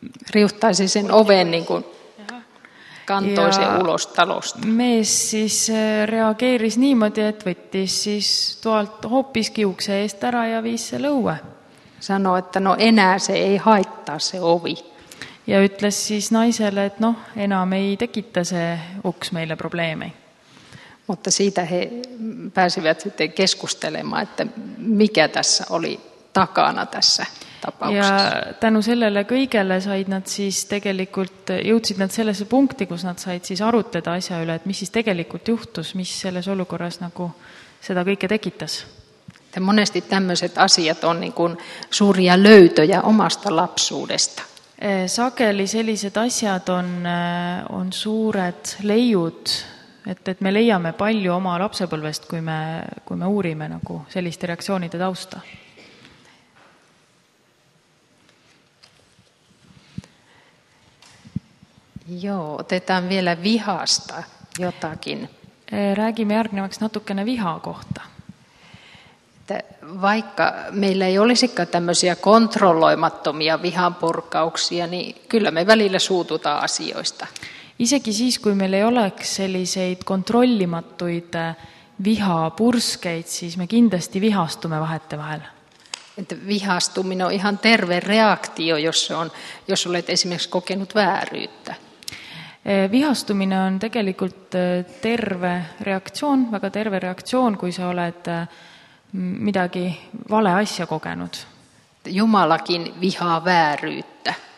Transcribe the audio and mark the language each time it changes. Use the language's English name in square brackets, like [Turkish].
[Finnish] Riuhtaisi sen oven niin kuin kantoisi ulos talosta. [Estonian] Mees siis reageeris niimoodi, et võttis siis tuolt hoopis kiukse eest ära ja viis se lõue. [Finnish] Sano, että no enää se ei haittaa se ovi. [Estonian] Ja ütles siis naisele, et no enam ei tekita se uks meille probleeme. [Finnish] Mutta siitä he pääsivät sitten keskustelemaan, että mikä tässä oli takana tässä tapauksessa. [Estonian] Ja tänu sellele kõigele said nad siis tegelikult, jõudsid nad sellesse punkti, kus nad said siis arutleda asja üle, et mis siis tegelikult juhtus, mis selles olukorras nagu seda kõike tekitas. [Finnish] Ja monesti tämmöiset asiat on niin kuin suuria löytöjä omasta lapsuudesta. [Estonian] Sageli sellised asjad on suured leiud, et me leiame palju oma lapsepõlvest, kui me uurime nagu selliste reaktsioonide tausta. [Finnish] Joo, otetaan vielä vihasta jotakin. [Estonian] Räägime järgnevaks natukene viha kohta. [Finnish] Vaikka meillä ei olisikaan tämmöisiä kontrolloimattomia vihanpurkauksia, niin kyllä me välillä suututaan asioista. [Estonian] Isegi siis, kui meil ei oleks selliseid kontrollimatuid vihapurskeid, siis me kindlasti vihastume vahete vahel. [Finnish] Et vihastuminen on ihan terve reaktio, jos olet esimerkiksi kokenut vääryyttä. [Estonian] Vihastuminen on tegelikult terve reaktsioon, väga terve reaktsioon, kui sa oled midagi vale asja kogenud. [Finnish] Jumalakin vihaa vääryyttä.